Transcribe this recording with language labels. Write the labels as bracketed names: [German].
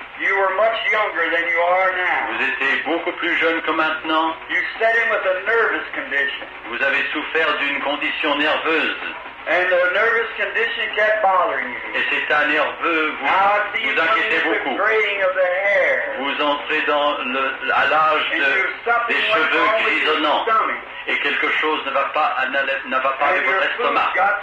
[English] you were much younger than you are now. [French] Vous étiez beaucoup plus jeune que maintenant. [English] You set in with a nervous condition. [French] Vous avez souffert d'une condition nerveuse. [English] And the nervous condition kept bothering you. [French] Et cet état nerveux vous inquiétait beaucoup. Vous entrez dans l'âge des cheveux grisonnants. Et quelque chose ne va pas avec votre estomac.